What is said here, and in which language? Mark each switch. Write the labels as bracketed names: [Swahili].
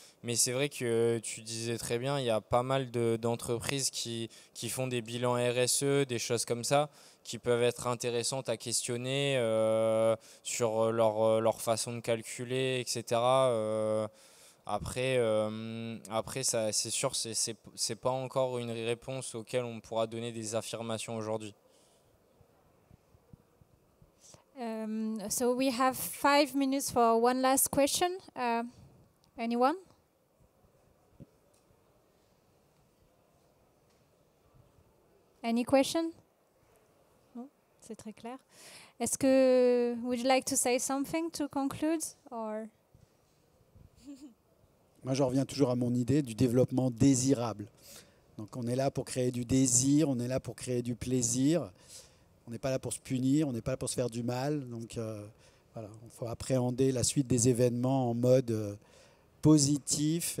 [French] Mais c'est vrai que tu disais très bien, il y a pas mal d'entreprises qui font des bilans RSE, des choses comme ça, qui peuvent être intéressantes à questionner sur leur façon de calculer, etc. Après ça, c'est sûr, c'est pas encore une réponse auquel on pourra donner des affirmations aujourd'hui. [English] So we have 5 minutes for one last question. Anyone? Any question? [French] C'est très clair. Est-ce que [English] would you like to say something to conclude or? [French] Moi, je reviens toujours à mon idée du développement désirable. Donc, on est là pour créer du désir, on est là pour créer du plaisir. On n'est pas là pour se punir, on n'est pas là pour se faire du mal. Donc, voilà, il faut appréhender la suite des événements en mode positif.